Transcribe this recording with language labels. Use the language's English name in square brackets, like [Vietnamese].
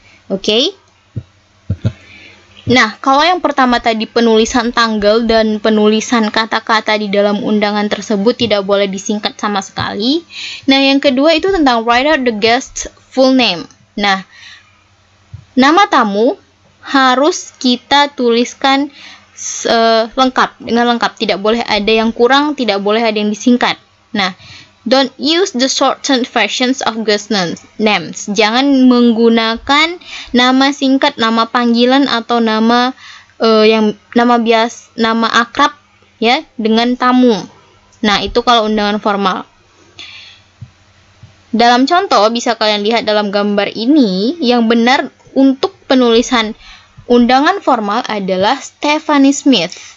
[Indonesian] Oke? Nah, kalau yang pertama tadi penulisan tanggal dan penulisan kata-kata di dalam undangan tersebut tidak boleh disingkat sama sekali. Nah, yang kedua itu tentang [English] write out the guest's full name. [Indonesian] Nah, nama tamu harus kita tuliskan lengkap, dengan lengkap. Tidak boleh ada yang kurang, tidak boleh ada yang disingkat. [English] Nah, don't use the shortened versions of guest names. [Indonesian] Jangan menggunakan nama singkat, nama panggilan atau nama nama akrab ya dengan tamu. Nah, itu kalau undangan formal. Dalam contoh bisa kalian lihat dalam gambar ini, yang benar untuk penulisan undangan formal adalah Stephanie Smith.